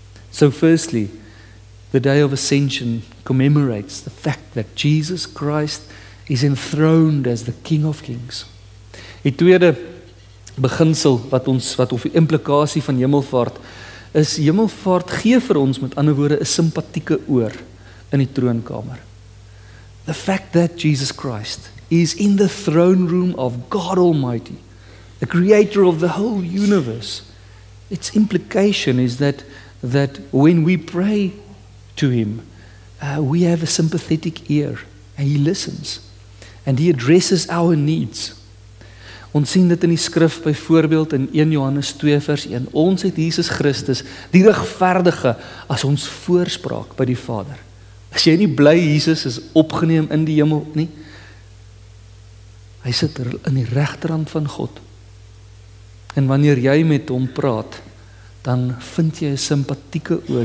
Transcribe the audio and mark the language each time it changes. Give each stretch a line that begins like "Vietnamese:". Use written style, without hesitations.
English: So firstly, the day of ascension commemorates the fact that Jesus Christ is enthroned as the King of Kings.
Afrikaans: Die tweede beginsel wat of die implikasie van hemelvaart, is hemelvaart gee vir ons, met ander woorde, 'n simpatieke oor in die troonkamer.
English: The fact that Jesus Christ is in the throne room of God Almighty, the creator of the whole universe, its implication is that when we pray to him, we have a sympathetic ear, and he listens, and he addresses our needs.
Afrikaans: Ons sien dit in die skrif, byvoorbeeld in 1 Johannes 2 vers 1, ons het Jesus Christus, die regverdige, as ons voorspraak by die Vader. As jy nie bly, Jesus is opgeneem in die hemel nie, hy sit in die regterhand van God, en wanneer jy met hom praat, dan vind jy 'n sympatieke oor.